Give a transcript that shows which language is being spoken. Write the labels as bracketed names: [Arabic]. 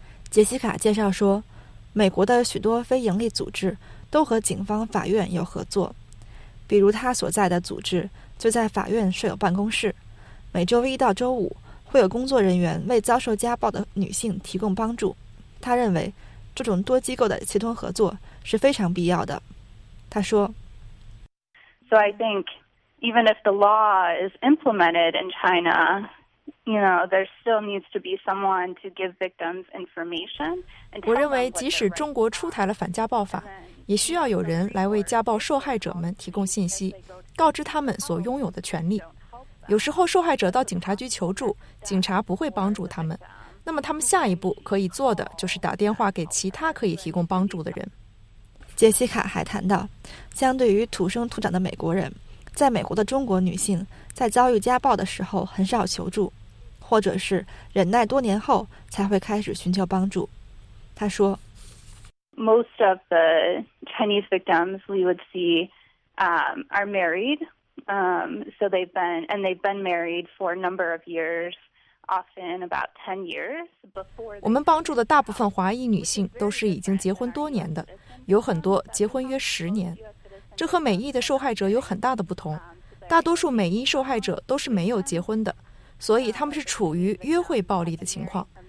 [Chinese] 杰西卡介绍说，美国的许多非营利组织都和警方法院有合作，比如他所在的组织就在法院设有办公室，每周一到周五会有工作人员为遭受家暴的女性提供帮助。他认为这种多机构的协同合作是非常必要的。他说 [English] So I think even if the law is implemented in China, you know, there still needs to be someone to give victims information. [Chinese] 我认为即使中国出台了反家暴法，也需要有人来为家暴受害者们提供信息，告知他们所拥有的权利。有时候受害者到警察局求助，警察不会帮助他们，那么他们下一步可以做的就是打电话给其他可以提供帮助的人。杰西卡还谈到，相对于土生土长的美国人，在美国的中国女性在遭遇家暴的时候很少求助，或者是忍耐多年后才会开始寻求帮助。他说 [English] Most of the Chinese victims we would see are married. So they've been married for a number of years, often about 10 years before. [Chinese] 我们帮助的大部分华裔女性都是已经结婚多年的，有很多结婚约10年。这和美裔的受害者有很大的不同。大多数美伊受害者都是没有结婚的，所以他们是处于约会暴力的情况。